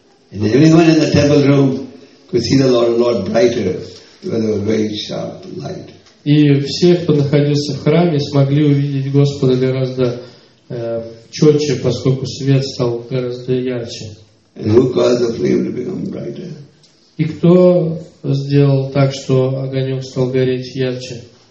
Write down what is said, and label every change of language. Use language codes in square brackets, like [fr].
[en] And everyone in the temple room could see the Lord brighter with a very sharp light. [ru] И все, кто находился в храме, смогли увидеть Господа гораздо четче, поскольку свет стал гораздо ярче. [en] And who caused the flame to become brighter? [ru] И кто сделал так, что огонек стал гореть ярче?